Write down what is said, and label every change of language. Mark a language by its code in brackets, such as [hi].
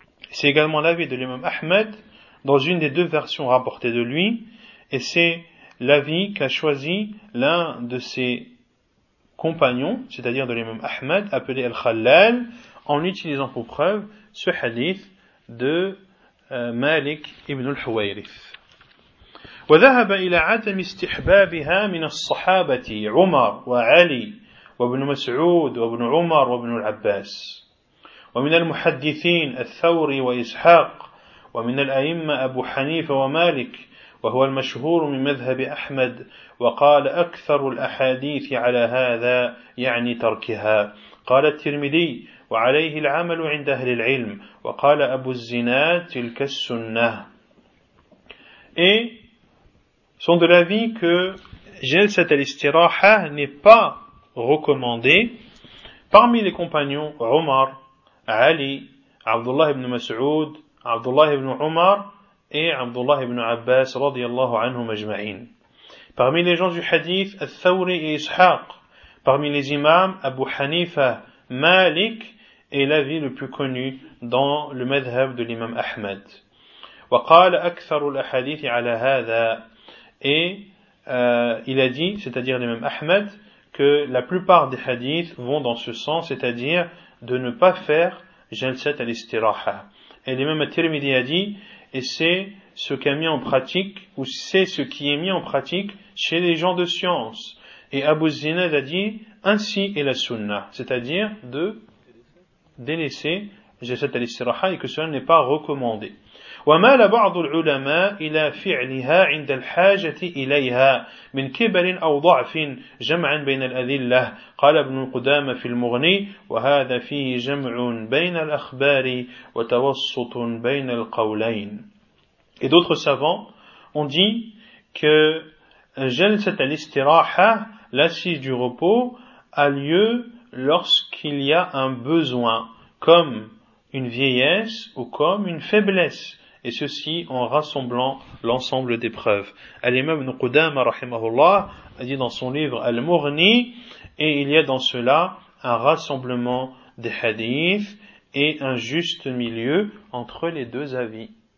[fr] C'est également l'avis de l'imam Ahmed, dans une des deux versions rapportées de lui, et c'est l'avis qu'a choisi l'un de ses compagnons, c'est-à-dire de l'imam Ahmed, appelé Al-Khalal, en utilisant pour preuve ce hadith de Malik ibn al-Huwayrith. [ar] وذهب إلى عدم استحبابها من الصحابة عمر وعلي وابن مسعود وابن عمر وابن العباس ومن المحدثين الثوري وإسحاق ومن الأئمة أبو حنيفة ومالك وهو المشهور من مذهب أحمد وقال أكثر الأحاديث على هذا يعني تركها قال الترمذي وعليه العمل عند أهل العلم وقال أبو الزناد تلك السنة [fr] إيه sont de l'avis que Jalsat al-Istiraha n'est pas recommandé parmi les compagnons Omar, Ali, Abdullah ibn Mas'ud, Abdullah ibn Omar et Abdullah ibn Abbas radiyallahu anhum ajma'in. Parmi les gens du hadith, Al-Thawri et Ishaq, parmi les imams, Abu Hanifa, Malik est l'avis le plus connu dans le madhhab de l'imam Ahmed. [ar] Wa qala aktharu al-ahadith 'ala hadha. [fr] Et il a dit, c'est-à-dire l'imam Ahmed, que la plupart des hadiths vont dans ce sens, c'est-à-dire de ne pas faire jalsat al-istiraha. Et l'imam al-Tirmidhi a dit, et c'est ce qu'a mis en pratique, ou c'est ce qui est mis en pratique chez les gens de science. Et Abu Zinad a dit, ainsi est la sunnah, c'est-à-dire de délaisser jalsat al-istiraha et que cela n'est pas recommandé. [ar] ومال بعض العلماء إلى فعلها عند الحاجة إليها من كبر أو ضعف جمعا بين الأذلة قال ابن قدامة في المغني وهذا فيه جمع بين الأخبار وتوسط بين القولين. [fr] Et d'autres savants ont dit que جلسة الاستراحة, l'assise du repos, a lieu lorsqu'il y a un besoin, comme une vieillesse ou comme une faiblesse. Et ceci en rassemblant l'ensemble des preuves. Al-Imam Ibn Qudama, rahimahullah, a dit dans son livre Al-Mughni, et il y a dans cela un rassemblement des hadiths et un juste milieu entre les deux avis.